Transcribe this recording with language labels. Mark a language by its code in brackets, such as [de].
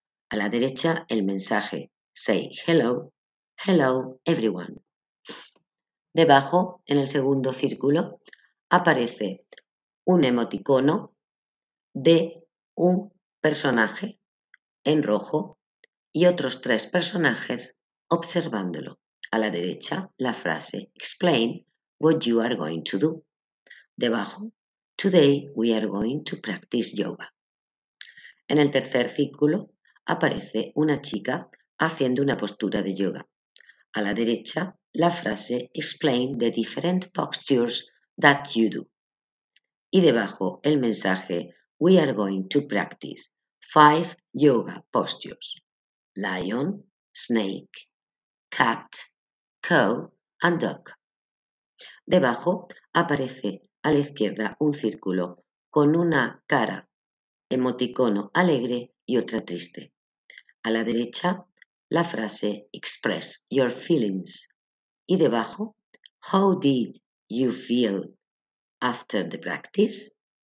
[es] A la derecha, el mensaje [en] say hello, hello everyone. [es] Debajo, en el segundo círculo, aparece un emoticono de un personaje en rojo y otros 3 personajes observándolo. A la derecha, la frase [en] explain what you are going to do. [es] Debajo, [en] today we are going to practice yoga. [es] En el tercer círculo aparece una chica haciendo una postura de yoga. A la derecha, la frase [en] explain the different postures that you do. [es] Y debajo, el mensaje [en] we are going to practice 5 yoga postures. Lion, snake, cat, cow and dog. [es] Debajo aparece a la izquierda un círculo con una cara, emoticono alegre y otra triste. A la derecha, la frase [en] express your feelings. [es] Y debajo, [en] how did you feel after the practice?